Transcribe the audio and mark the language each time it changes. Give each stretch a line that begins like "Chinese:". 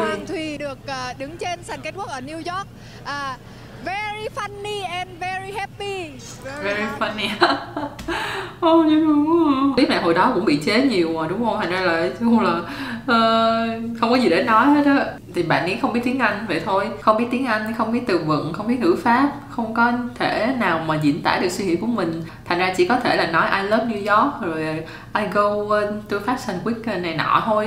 Vietnamese: Hoàng Thùy được đứng trên sàn catwalk ở New York.
English: Very funny and very happy. Very funny. Oh,
Vietnamese: dễ thương quá. Clip này hồi đó cũng bị chế nhiều rồi đúng không? Thành ra là chung là không có gì để nói hết á. Thì bạn ấy không biết tiếng Anh vậy thôi. Không biết tiếng Anh, không biết từ vựng, không biết ngữ pháp, không có thể nào mà diễn tả được suy nghĩ của mình. Thành ra chỉ có thể là nói
English: I love New York,
Vietnamese: rồi
English: I go to fashion week
Vietnamese: này nọ thôi.